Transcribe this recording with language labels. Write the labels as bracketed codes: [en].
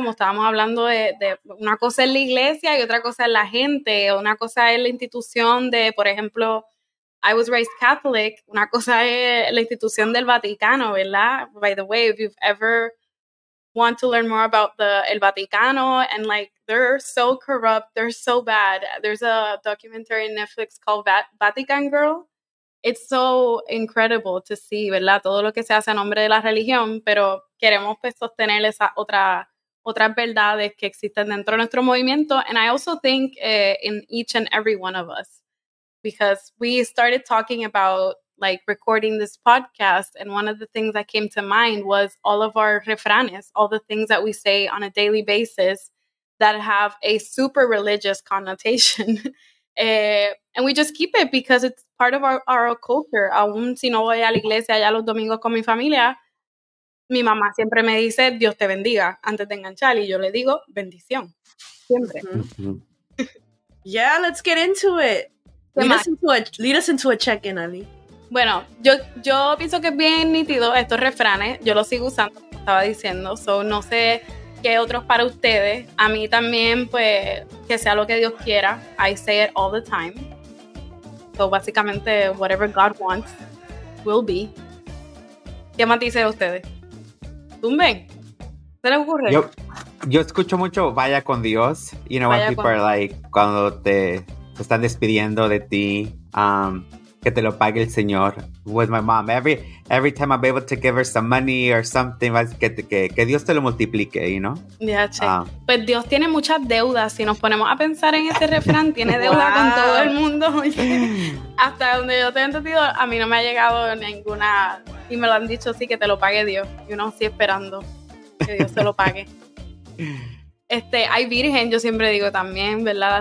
[es] Como estábamos hablando de una cosa es la iglesia y otra cosa es la gente, una cosa es la institución de, por ejemplo, [en] I was raised Catholic, [es] una cosa es la institución del Vaticano, ¿verdad? [en] By the way, if you've ever want to learn more about el Vaticano and like they're so corrupt, they're so bad. There's a documentary on Netflix called Vatican Girl. It's so incredible to see, ¿verdad? [es] Todo lo que se hace a nombre de la religión, pero queremos pues sostener esas otras verdades que existen dentro de nuestro movimiento. [en] And I also think in each and every one of us, because we started talking about like recording this podcast, and one of the things that came to mind was all of our refranes, all the things that we say on a daily basis that have a super religious connotation. And we just keep it because it's part of our culture. [es] Aún si no voy a la iglesia ya los domingos con mi familia, mi mamá siempre me dice, Dios te bendiga, antes de enganchar, y yo le digo, bendición, siempre. [en] Mm-hmm. Yeah, let's get into it. Lead us into a check-in, Ali. [es] Bueno, yo pienso que es bien nítido estos refranes. Yo los sigo usando, como estaba diciendo. So, no sé qué otros para ustedes. A mí también, pues, que sea lo que Dios quiera. [en] I say it all the time. So, básicamente, whatever God wants, will be. [es] ¿Qué más dice de ustedes? ¿Tumben? ¿Se les ocurre? Yo escucho mucho, vaya con Dios. [en] You know, [es] vaya [en] when people are like, [es] cuando te están despidiendo de ti, que te lo pague el Señor. [en] With my mom, every time I'm able to give her some money or something, [es] que Dios te lo multiplique, [en] you know? [es] Yeah, che. Pues Dios tiene muchas deudas. Si nos ponemos a pensar en ese refrán, tiene deuda wow. con todo el mundo. Hasta donde yo te he entendido, a mí no me ha llegado ninguna, y me lo han dicho así, que te lo pague Dios. Y uno sigue esperando que Dios se lo pague. Hay Virgen, yo siempre digo también, ¿verdad?